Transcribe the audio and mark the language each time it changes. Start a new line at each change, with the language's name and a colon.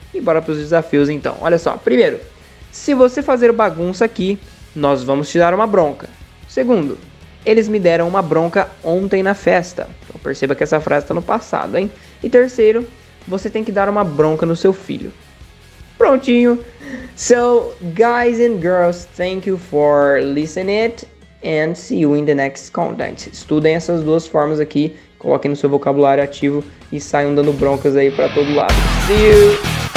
Portuguese: E bora para os desafios, então. Olha só, primeiro, se você fazer bagunça aqui, nós vamos te dar uma bronca. Segundo, eles me deram uma bronca ontem na festa. Então perceba que essa frase está no passado, hein? E terceiro, você tem que dar uma bronca no seu filho. Prontinho!
English: So, guys and girls, thank you for listening it. and see you in the next contact.
Portuguese: Estudem essas duas formas aqui, coloquem no seu vocabulário ativo e saiam dando broncas aí pra todo lado.
English: See you!